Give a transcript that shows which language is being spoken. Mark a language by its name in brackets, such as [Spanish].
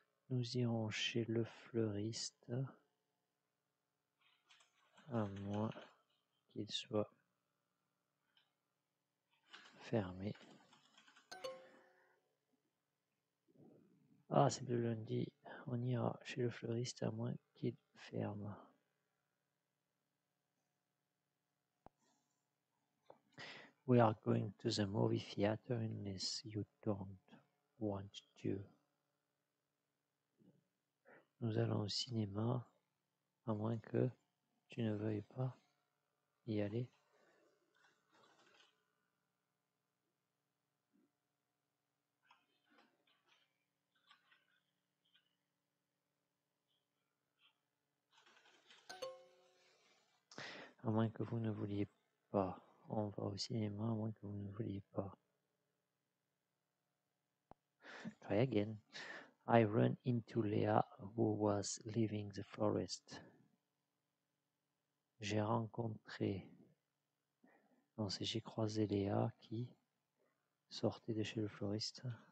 [French] Nous irons chez le fleuriste à moins qu'il soit fermé. Ah, c'est le lundi. On ira chez le fleuriste à moins qu'il ferme. [English] We are going to the movie theater unless you don't want to. [French] Nous allons au cinéma à moins que tu ne veuilles pas y aller. À moins que vous ne vouliez pas. On va au cinéma, à moins que vous ne vouliez pas. [English] Try again. I run into Léa, who was leaving the forest. [French] J'ai rencontré... Non, c'est j'ai croisé Léa qui sortait de chez le floriste.